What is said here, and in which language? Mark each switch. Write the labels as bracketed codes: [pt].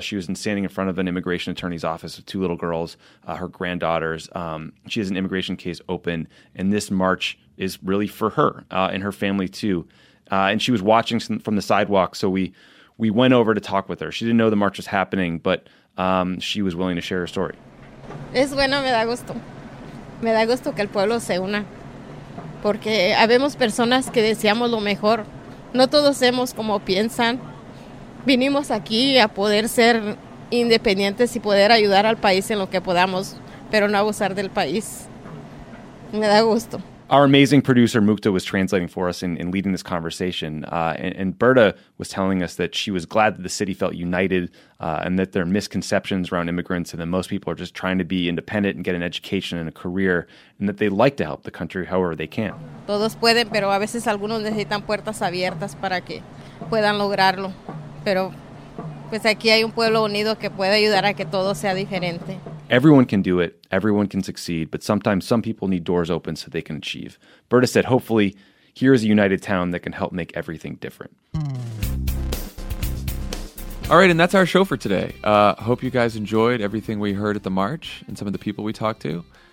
[en] She was standing in front of an immigration attorney's office with two little girls, her granddaughters. She has an immigration case open, and this march is really for her and her family too. And she was watching from the sidewalk, so we went over to talk with her. She didn't know the march was happening, but she was willing to share her story. [es] Es bueno, me da gusto. Me da gusto que el pueblo se una. Porque habemos personas que deseamos lo mejor. No todos somos como piensan. Vinimos aquí a poder ser independientes y poder ayudar al país en lo que podamos, pero no abusar del país. Me da gusto. [en] Our amazing producer, Mukta, was translating for us and leading this conversation. And Berta was telling us that she was glad that the city felt united and that there are misconceptions around immigrants and that most people are just trying to be independent and get an education and a career and that they like to help the country however they can. [es] Todos pueden, pero a veces algunos necesitan puertas abiertas para que puedan lograrlo. Pero pues aquí hay un pueblo unido que puede ayudar a que todo sea diferente. [en] Everyone can do it, everyone can succeed, but sometimes some people need doors open so they can achieve. Berta said, hopefully, here is a united town that can help make everything different. All right, and that's our show for today. Hope you guys enjoyed everything we heard at the march and some of the people we talked to.